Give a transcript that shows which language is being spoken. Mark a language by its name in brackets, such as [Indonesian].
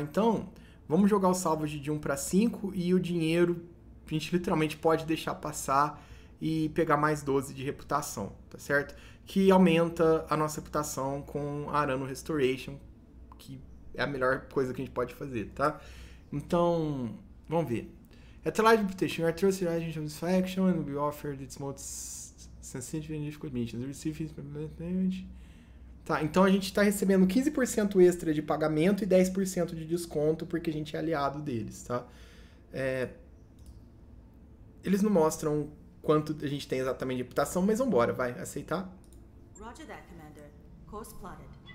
[Portuguese] Então, vamos jogar o salvage de 1 para 5 e o dinheiro a gente literalmente pode deixar passar e pegar mais 12 de reputação, tá certo? Que aumenta a nossa reputação com a Arano Restoration, que é a melhor coisa que a gente pode fazer, tá? Então, vamos ver. [English] At large reputation, your trust in agent of this faction and will be offered its most sensitive and difficult missions. Receive payment. [Portuguese] Tá, então a gente tá recebendo 15% extra de pagamento e 10% de desconto porque a gente é aliado deles, tá? Eles não mostram quanto a gente tem exatamente de reputação, mas vambora, vai, aceitar? [English] Roger that, Commander. Course plotted.